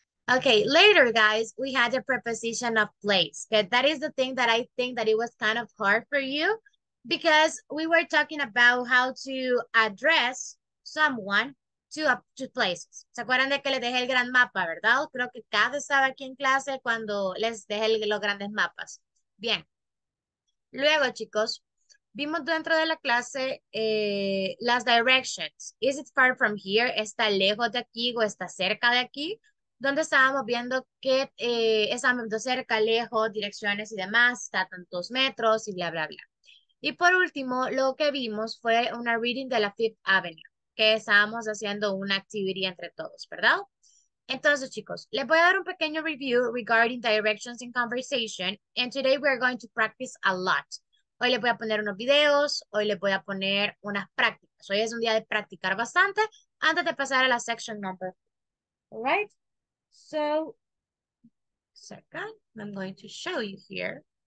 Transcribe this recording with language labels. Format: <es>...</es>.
<en>Okay, later, guys, we had the preposition of place. Okay, that is the thing that I think that it was kind of hard for you because we were talking about how to address someone to places.</en> <es>¿Se acuerdan de que les dejé el gran mapa, verdad? Creo que cada estaba aquí en clase cuando les dejé los grandes mapas. Bien. Luego, chicos, vimos dentro de la clase las directions.</es> <en>Is it far from here?</en> <es>¿Está lejos de aquí o está cerca de aquí? donde estábamos viendo que están viendo cerca, lejos, direcciones y demás, está a tantos metros y bla, bla, bla. Y por último, lo que vimos fue una reading de la Fifth Avenue, que estábamos haciendo una actividad entre todos, ¿verdad? Entonces, chicos, les voy a dar un pequeño</es> <en>review regarding directions in conversation, and today we're going to practice a lot.</en> <es>Hoy les voy a poner unos videos, hoy les voy a poner unas prácticas. Hoy es un día de practicar bastante antes de pasar a la section number.</es> <en>All right? So, second, I'm going to show you here.</en>